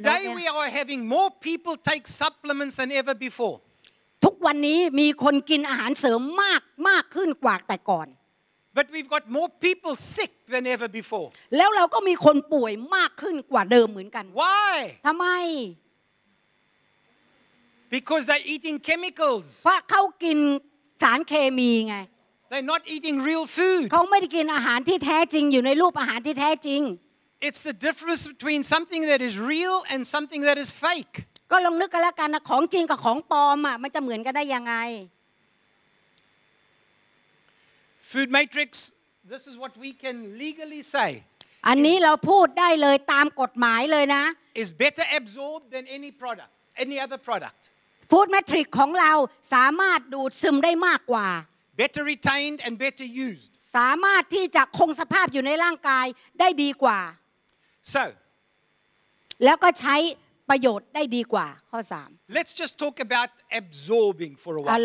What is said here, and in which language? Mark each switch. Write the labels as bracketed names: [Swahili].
[English] เนี่ย today we are having more people take supplements than ever before [Thai] ทุกวันนี้มีคนกินอาหารเสริมมากมากขึ้นกว่าแต่ก่อน [English] but we've got more people sick than ever before [Thai] แล้วเราก็มีคนป่วยมากขึ้นกว่าเดิมเหมือนกัน [English] why [Thai] ทำไม [English] Because they're eating chemicals. [Thai] เพราะเขากินสารเคมีไง [English] They're not eating real food. [Thai] เขาไม่ได้กินอาหารที่แท้จริงอยู่ในรูปอาหารที่แท้จริง [English] It's the difference between something that is real and something that is fake. [Thai] ก็ลองนึกกันแล้วกันนะของจริงกับของปลอมอ่ะมันจะเหมือนกันได้ยังไง [English] Food matrix. This is what we can legally say. [Thai] อันนี้เราพูดได้เลยตามกฎหมายเลยนะ [English] Is better absorbed than any product. Any other product? [Thai] Food matrix ของเราสามารถดูดซึมได้มากกว่า [English] Better retained and better used. [Thai] สามารถที่จะคงสภาพอยู่ในร่างกายได้ดีกว่า [English] So. [Thai] แล้วก็ใช้ประโยชน์ได้ดีกว่าข้อ 3. [English] Let's just talk about absorbing for a while.